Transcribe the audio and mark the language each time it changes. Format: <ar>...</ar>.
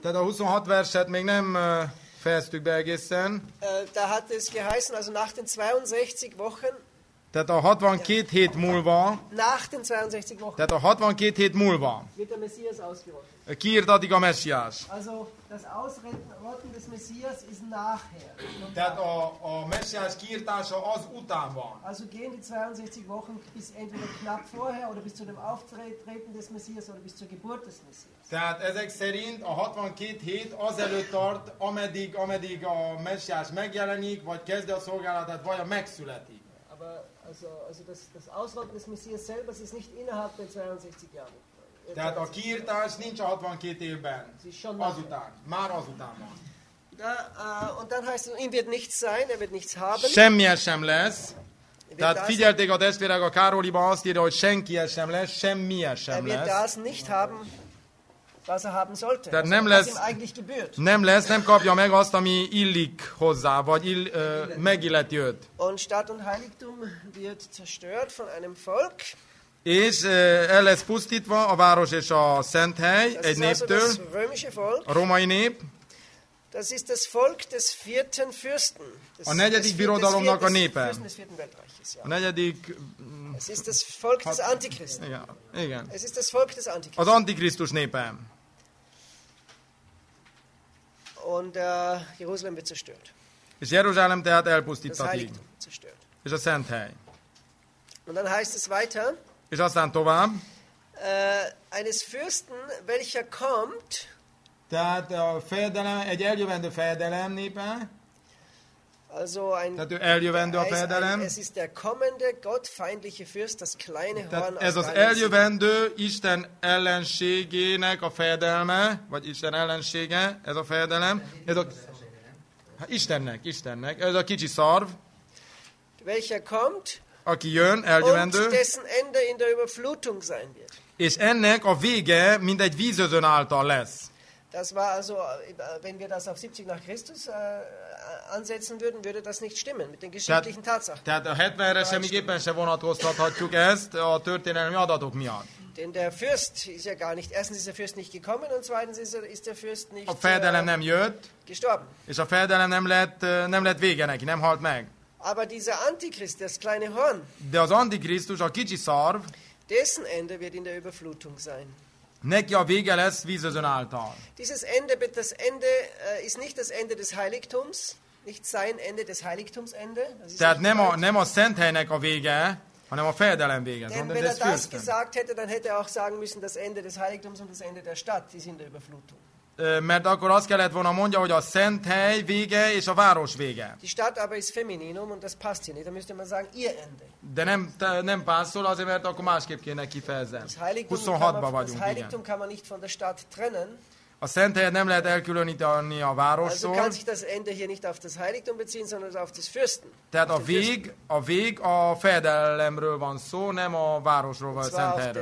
<hu>Tehát a 26 verset még nem fejeztük be egészen.</hu> <de>Da hat es geheißen, also nach den 62 Wochen.</de> <hu>Tehát a 62 hét múlva.</hu> <de>Nach den 62 Wochen.</de> <hu>Tehát a 62 hét múlva.</hu> <de>Wird der Messias ausgerottet.</de> <hu>Kiirtatik a Messiás.</hu> <de>Also das Ausrotten des Messias ist nachher.</de> <hu>Tehát a Messiás kiirtása az után van.</hu> <de>Also gehen die 62 Wochen bis entweder knapp vorher oder bis zu dem Auftreten des Messias oder bis zur Geburt des Messias.</de> <hu>Tehát ezek szerint a 62 hét azelőtt tart, ameddig a Messiás megjelenik, vagy kezdi a szolgálatát, vagy a megszületik.</hu> <de>Also das Ausrotten des Messias selber ist nicht innerhalb der 62 Jahre.</de> <hu>Tehát a kiirtás nincs a 62 évben. Azután. Már azután van.</hu> <de>Und dann heißt es, ihm wird nichts sein, er wird nichts haben.</de> <hu>Semmije sem lesz. Tehát figyelték a testvérek a Károliban, azt írja, hogy senkije sem lesz, semmije sem lesz.</hu> <de>Er wird das nicht haben, was er haben sollte.</de> <hu>Tehát nem lesz,</hu> <de>was ihm eigentlich gebührt.</de> <hu>Nem lesz, nem kapja meg azt, ami illik hozzá, vagy megilleti őt.</hu> <de>Und Stadt und Heiligtum wird zerstört von einem Volk.</de> <hu>És el lesz pusztítva a város és a szent hely egy néptől.</hu> <de>Das römische Volk.</de> <hu>A római nép.</hu> <de>Das ist das Volk des vierten Fürsten.</de> <hu>A negyedik birodalomnak a népe. A negyedik.</hu> <de>Es ist das Volk des Antichristen.</de> <hu>Igen.</hu> <de>Es ist das Volk des Antichristen.</de> <hu>Az Antikrisztus népe.</hu> <de>Und Jerusalem wird zerstört.</de> <hu>És Jeruzsálem tehát elpusztítatik.</hu> <de>Das Heiligtum zerstört.</de> <hu>És a szent hely.</hu> <de>Und dann heißt es weiter.</de> <hu>És aztán tovább.</hu> <de>Eines Fürsten, welcher kommt.</de> <hu>Tehát a fejedelem, egy eljövendő fejedelem népe.</hu> <de>Also ein,</de> <hu>tehát ő eljövendő a fejedelem.</hu> <de>Es ist der kommende gottfeindliche Fürst, das kleine Horn.</de> <hu>Tehát ez az eljövendő Isten ellenségének a fejedelme, vagy Isten ellensége, ez a fejedelem. Ez a, Istennek. Ez a kicsi szarv.</hu> <de>Welcher kommt,</de> <hu>aki jön, eljövendő.</hu> <de>Und dessen Ende in der Überflutung sein wird.</de> <hu>És ennek a vége mindegy vízözön által lesz.</hu> <de>Das war also, wenn wir das auf 70 nach Christus ansetzen würden, würde das nicht stimmen mit den geschichtlichen Tatsachen.</de> <hu>Tehát a 70-re semmiképpen se vonatkoztathatjuk ezt a történelmi adatok miatt.</hu> <de>Denn der Fürst ist ja gar nicht, erstens ist der Fürst nicht gekommen und zweitens ist der Fürst nicht</de> <hu>a fejedelem nem jött,</hu> <de>gestorben.</de> <hu>És a fejedelem nem lett vége neki, nem halt meg.</hu> <de>Aber dieser Antichrist, das kleine Horn,</de> <hu>de az Antikrisztus, a kicsi szarv,</hu> <de>dessen Ende wird in der Überflutung sein.</de> <hu>Neki a vége lesz vízözön által.</hu> <de>Dieses Ende, das Ende ist nicht das Ende des Heiligtums, nicht sein Ende des Heiligtums Ende.</de> <hu>Tehát nem a szent helynek a vége, hanem a fejedelem vége.</hu> <de>Denn wenn er das gesagt hätte, dann hätte er auch sagen müssen, das Ende des Heiligtums und das Ende der Stadt, die sind der Überflutung.</de> <hu>Mert akkor azt kellett volna mondja, hogy a szent hely vége és a város vége.</hu> <de>Die Stadt aber ist femininum und das passt hier nicht. Da müsste man sagen ihr Ende.</de> <hu>De nem passzol, azért mert akkor másképp kéne kifejezem. 26-ban vagyunk.</hu> <de>Das Heiligtum kann man nicht von der Stadt trennen.</de> <hu>A szent helyet nem lehet elkülöníteni a városról.</hu> <de>Also kann sich das Ende hier nicht auf das Heiligtum beziehen, sondern auf das Fürsten.</de> <hu>Tehát a vég a fejedelemről van szó, nem a városról, vagy a szent helyről.</hu>